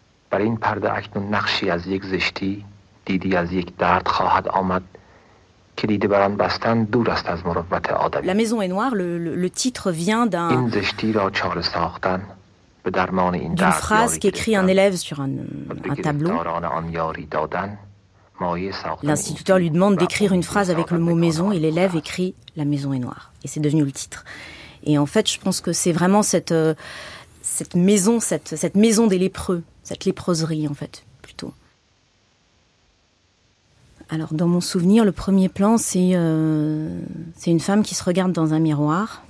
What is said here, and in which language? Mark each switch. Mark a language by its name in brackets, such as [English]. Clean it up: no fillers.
[Persian] بر این پرده اکنون نقشی از یک زشتی دیدی از یک درد خواهد آمد که دیده بر آن بستن دور است از مروت آدمی. [French] La maison est noire, le titre vient d'un [Persian] این زشتی را چاره ساختن به درمان این درد. [French] Une phrase qu'écrit un élève sur un tableau. [Persian] داران آن یاری دادن مایه ساختن. [French] L'instituteur lui demande d'écrire une phrase avec le mot maison et l'élève écrit la maison est noire et c'est devenu le titre. Et en fait, je pense que c'est vraiment cette maison, cette maison des lépreux. Cette léproserie, en fait, plutôt. Alors, dans mon souvenir, le premier plan, c'est une femme qui se regarde dans un miroir.